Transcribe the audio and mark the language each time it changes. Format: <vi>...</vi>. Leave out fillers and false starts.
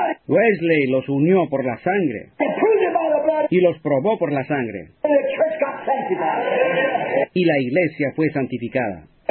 <es>Wesley los unió por la sangre. Y los probó por la sangre.</es> <en>And the church got sanctified.</en> <es>Y la iglesia fue santificada.</es>